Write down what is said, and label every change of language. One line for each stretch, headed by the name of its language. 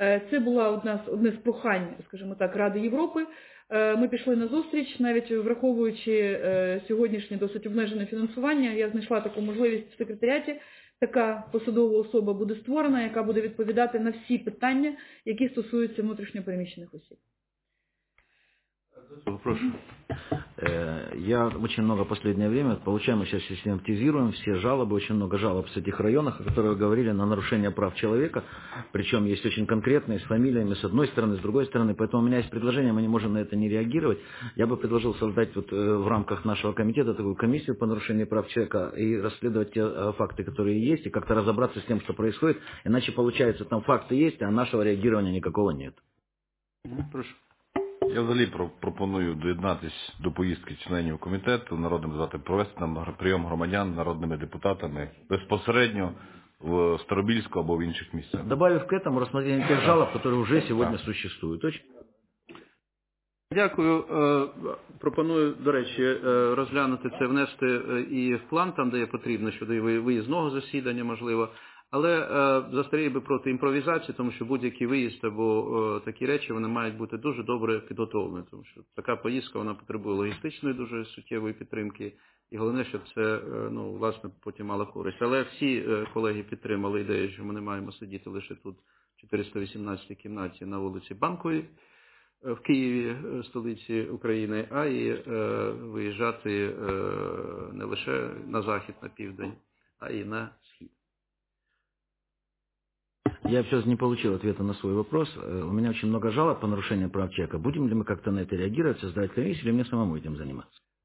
Ukrainian: Це була одне з прохань, скажімо так, Ради Європи. Ми пішли на зустріч, навіть враховуючи сьогоднішнє досить обмежене фінансування, я знайшла таку можливість в секретаріаті. Така посадова особа буде створена, яка буде відповідати на всі питання, які стосуються внутрішньо переміщених осіб. Прошу.
Russian: Я очень много в последнее время, получаем, сейчас систематизируем все жалобы, очень много жалоб с этих районов, о которых вы говорили, на нарушение прав человека, причем есть очень конкретные, с фамилиями, с одной стороны, с другой стороны, поэтому у меня есть предложение, мы не можем на это не реагировать. Я бы предложил создать вот в рамках нашего комитета такую комиссию по нарушению прав человека и расследовать те факты, которые есть, и как-то разобраться с тем, что происходит, иначе получается, там факты есть, а нашего реагирования никакого нет. Прошу.
Ukrainian: Я взагалі пропоную доєднатись до поїздки членів комітету, народним депутатам, провести нам прийом громадян народними депутатами безпосередньо в Старобільську або в інших місцях. Добавив
Russian: к этому
Ukrainian: розглядання тих жалоб, які вже сьогодні существують. Дякую. Пропоную, до речі, розглянути це, внести і в план, там, де є потрібно, щодо виїзного засідання, можливо. Але застерігав би проти імпровізації, тому що будь-який виїзд або такі речі, вони мають бути дуже добре підготовлені, тому що така поїздка, вона потребує логістичної дуже суттєвої підтримки, і головне, щоб це, ну, власне, потім мала користь. Але всі колеги підтримали ідею, що ми не маємо сидіти лише тут, в 418 кімнаті на вулиці Банкові, в Києві, столиці України, а й виїжджати не лише на захід, на південь, а й на схід.
Russian: Я сейчас не получил ответа на свой вопрос. У меня очень много жалоб по нарушению прав человека. Будем ли мы как-то на это реагировать, создавать комиссию, или мне самому этим заниматься?